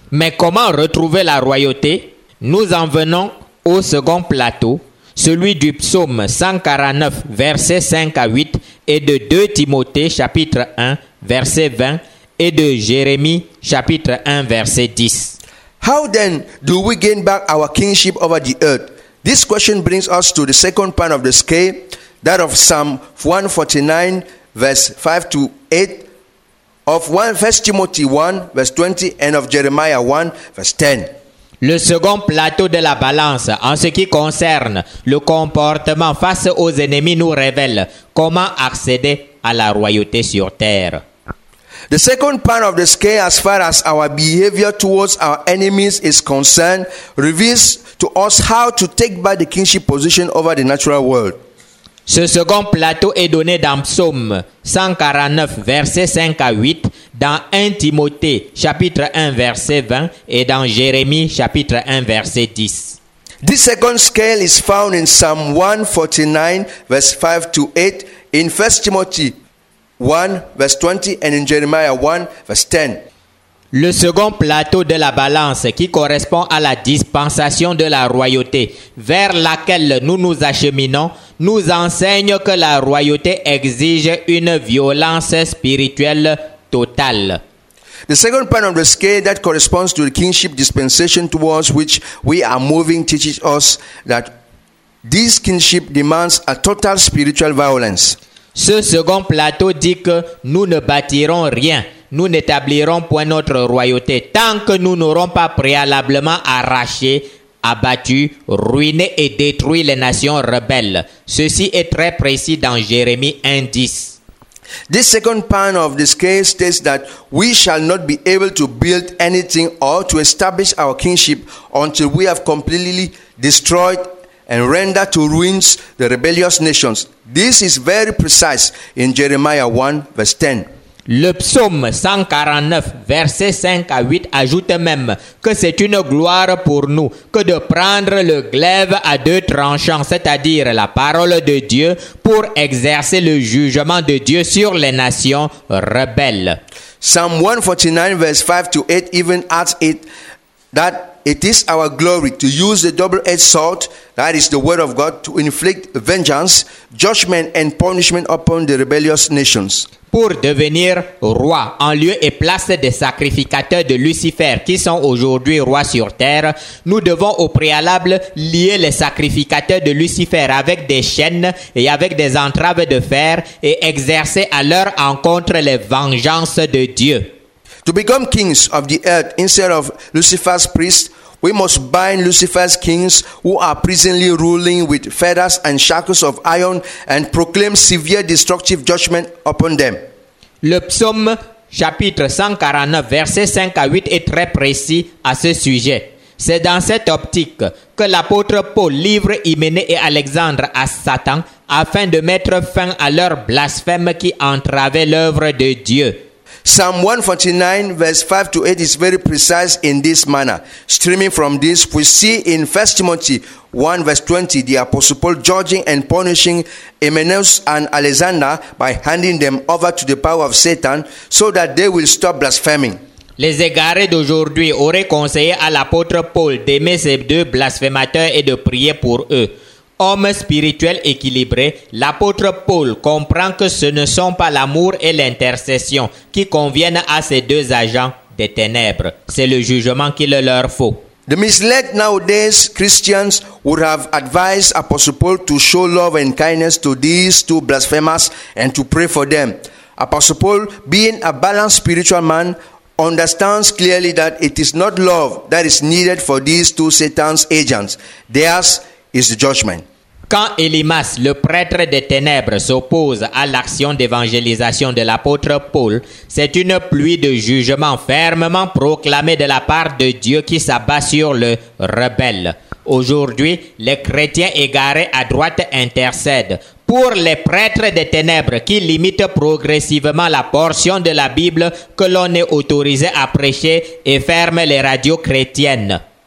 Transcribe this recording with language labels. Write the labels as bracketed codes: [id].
[fr] Mais comment retrouver la royauté? Nous en venons au second plateau. Celui du psaume 149, versets 5 à 8, et de 2 Timothée, chapitre 1, verset 20, et de Jérémie, chapitre 1, verset 10. [en] How then do we gain back our kingship over the earth? This question brings us to the second part of the scale, that of Psalm 149, verse 5 to 8, of 1 Timothy 1, verse 20, and of Jeremiah 1, verse 10. [fr] Le second plateau de la balance en ce qui concerne le comportement face aux ennemis nous révèle comment accéder à la royauté sur terre. [en] The second part of the scale as far as our behavior towards our enemies is concerned reveals to us how to take back the kingship position over the natural world. [fr] Ce second plateau est donné dans Psaume 149, versets 5 à 8, dans 1 Timothée, chapitre 1, verset 20, et dans Jérémie, chapitre 1, verset 10. [en] This second scale is found in Psalm 149, verses 5 to 8, in 1 Timothy 1, verse 20, and in Jeremiah 1, verse 10. [fr] Le second plateau de la balance qui correspond à la dispensation de la royauté vers laquelle nous nous acheminons nous enseigne que la royauté exige une violence spirituelle totale. [en] The second part of the scale that corresponds to the kingship dispensation towards which we are moving teaches us that this kingship demands a total spiritual violence. [fr] Ce second plateau dit que nous ne bâtirons rien. Nous n'établirons point notre royauté tant que nous n'aurons pas préalablement arraché, abattu, ruiné et détruit les nations rebelles. Ceci est très précis dans Jérémie 1:10. [en] This second part of the scale states that we shall not be able to build anything or to establish our kingship until we have completely destroyed and rendered to ruins the rebellious nations. This is very precise in Jeremiah 1, verse 10. [fr] Le psaume 149, versets 5 à 8 ajoute même que c'est une gloire pour nous que de prendre le glaive à deux tranchants, c'est-à-dire la parole de Dieu, pour exercer le jugement de Dieu sur les nations rebelles. [en] Psalm 149, verses 5 to 8 even adds it that it is our glory to use the double-edged sword, that is the word of God, to inflict vengeance, judgment and punishment upon the rebellious nations. [fr] Pour devenir roi en lieu et place des sacrificateurs de Lucifer qui sont aujourd'hui rois sur terre, nous devons au préalable lier les sacrificateurs de Lucifer avec des chaînes et avec des entraves de fer et exercer à leur encontre les vengeances de Dieu. [en] To become kings of the earth instead of Lucifer's priests, we must bind Lucifer's kings who are presently ruling with fetters and shackles of iron and proclaim severe destructive judgment upon them. [fr] Le psaume chapitre 149 verset 5 à 8 est très précis à ce sujet. C'est dans cette optique que l'apôtre Paul livre Hyménée et Alexandre à Satan afin de mettre fin à leur blasphème qui entravait l'œuvre de Dieu. [en] Psalm 149, verse 5 to 8 is very precise in this manner. Streaming from this, we see in 1 Timothy 1, verse 20, the Apostle Paul judging and punishing Emmaus and Alexander by handing them over to the power of Satan so that they will stop blaspheming. [fr] Les égarés d'aujourd'hui auraient conseillé à l'apôtre Paul d'aimer ces deux blasphémateurs et de prier pour eux. Homme spirituel équilibré, l'apôtre Paul comprend que ce ne sont pas l'amour et l'intercession qui conviennent à ces deux agents des ténèbres. C'est le jugement qu'il leur faut. [en] The misled nowadays Christians would have advised Apostle Paul to show love and kindness to these two blasphemers and to pray for them. Apostle Paul, being a balanced spiritual man, understands clearly that it is not love that is needed for these two Satan's agents. Theirs is the judgment. [fr] Quand Elimas, le prêtre des ténèbres, s'oppose à l'action d'évangélisation de l'apôtre Paul, c'est une pluie de jugement fermement proclamée de la part de Dieu qui s'abat sur le rebelle. Aujourd'hui, les chrétiens égarés à droite intercèdent pour les prêtres des ténèbres qui limitent progressivement la portion de la Bible que l'on est autorisé à prêcher et ferment les radios chrétiennes.